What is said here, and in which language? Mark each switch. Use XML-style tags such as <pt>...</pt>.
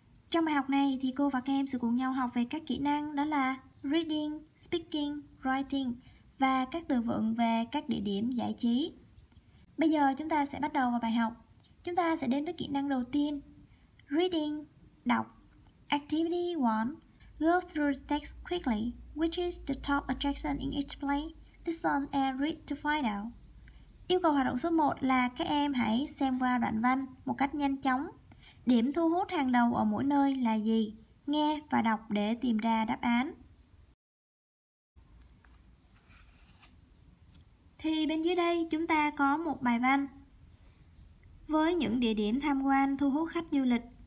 <vi>Trong bài học này thì cô và các em sẽ cùng nhau học về các kỹ năng đó là reading, speaking, writing và các từ vựng về các địa điểm giải trí. Bây giờ chúng ta sẽ bắt đầu vào bài học. Chúng ta sẽ đến với kỹ năng đầu tiên, reading, đọc.</vi> <en>Activity 1, go through the text quickly. Which is the top attraction in each place? Listen and read to find out.</en> <vi>Yêu cầu hoạt động số 1 là các em hãy xem qua đoạn văn một cách nhanh chóng. Điểm thu hút hàng đầu ở mỗi nơi là gì? Nghe và đọc để tìm ra đáp án. Thì bên dưới đây chúng ta có một bài văn với những địa điểm tham quan thu hút khách du lịch.</vi>